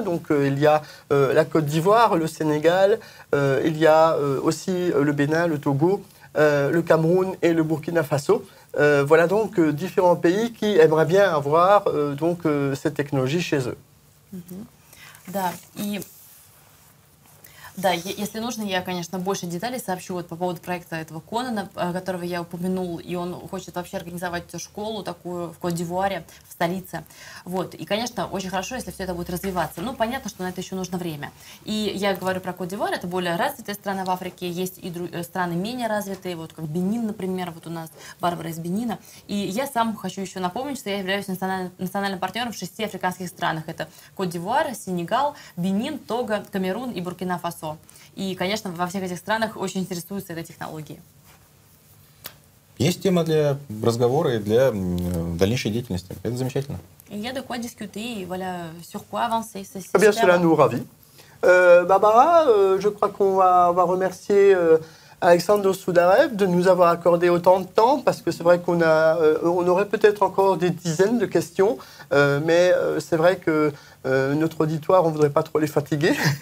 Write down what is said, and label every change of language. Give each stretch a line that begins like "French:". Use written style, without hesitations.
French: Donc il y a la Côte d'Ivoire, le Sénégal, il y a aussi le Bénin, le Togo, le Cameroun et le Burkina Faso. Voilà donc différents pays qui aimeraient bien avoir donc cette technologie chez eux.
Russian: Mm-hmm. Да, и... Да, если нужно, я, конечно, больше деталей сообщу вот по поводу проекта этого Конана, которого я упомянул, и он хочет вообще организовать школу такую в Кот-д'Ивуаре, в столице. Вот. И, конечно, очень хорошо, если все это будет развиваться. Но понятно, что на это еще нужно время. И я говорю про Кот-д'Ивуар, это более развитая страна в Африке, есть и страны менее развитые, вот как Бенин, например, вот у нас Барбара из Бенина. И я сам хочу еще напомнить, что я являюсь национальным партнером в 6 африканских странах. Это Кот-д'Ивуар, Сенегал, Бенин, Того, Камерун и Буркина-Фасо. И, конечно, во всех этих странах очень интересуются этой технологией. Есть тема для разговора и для дальнейшей деятельности. Это замечательно.
French: Я de quoi discuter, voilà, sur quoi avancer. Eh bien, cela nous ravit. Barbara, je crois qu'on va remercier Alexandre Soudarev de nous avoir accordé autant de temps, parce que c'est vrai qu'on on aurait peut-être encore des dizaines de questions, mais c'est vrai que notre auditoire, on ne voudrait pas trop les fatiguer.